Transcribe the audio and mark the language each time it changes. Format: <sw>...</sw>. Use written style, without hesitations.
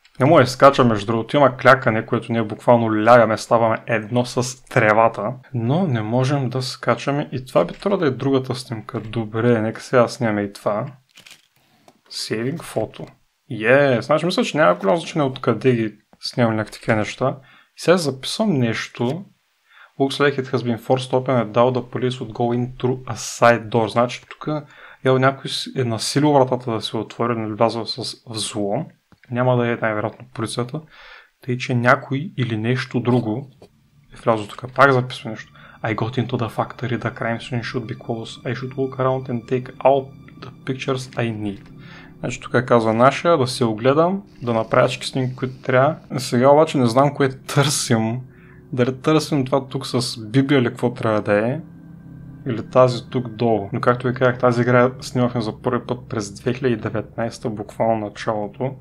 <bg>Не мога да скача между другото. Има клякане, което ние буквално лягаме, ставаме едно с тревата. Но не можем да скачаме. И това би трябва да е другата снимка. Добре, нека сега снимаме и това.</bg> <en>Saving photo.</en> <bg>Yes, значи мисля, че няма голямо значение откъде ги снимаме някакви такива неща. И сега записвам нещо.</bg> <en>Looks like it has been forced open and down the police would go in through a side door.</en> <bg>Значи тук ел, някой е насилил вратата да се отвори, не влязва с взлом. Няма да е най-вероятно полицията. Тъй, че някой или нещо друго е влязло тук. Пак записва нещо.</bg> <en>I got into the factory, the crime scene should be close. I should look around and take all the pictures I need.</en> <bg>Значи тук казва наша, да се огледам, да направя всички снимки, които трябва. Сега обаче не знам кое търсим. Дали търсим това тук с Библия или какво трябва да е? Или тази тук долу? Но както ви казах, тази игра снимахме за първи път през 2019-та, буквално началото.</bg>